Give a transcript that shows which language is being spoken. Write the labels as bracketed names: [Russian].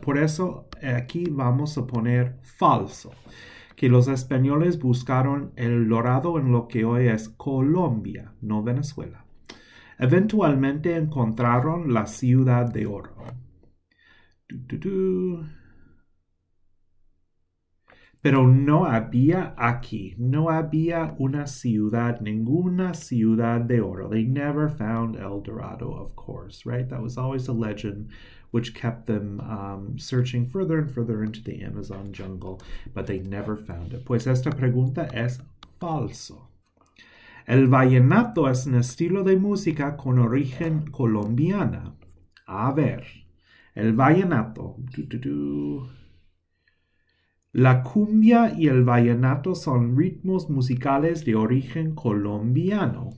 [Spanish] Por eso aquí vamos a poner falso, que los españoles buscaron el Dorado en lo que hoy es Colombia, no Venezuela. Eventualmente encontraron la ciudad de oro. Du-du-du. Pero no había aquí, no había una ciudad, ninguna ciudad de oro. [English] They never found El Dorado, of course, right? That was always a legend which kept them searching further and further into the Amazon jungle, but they never found it. [Spanish] Pues esta pregunta es falso. El vallenato es un estilo de música con origen colombiana. A ver, el vallenato. Du, du, du. La cumbia y el vallenato son ritmos musicales de origen colombiano.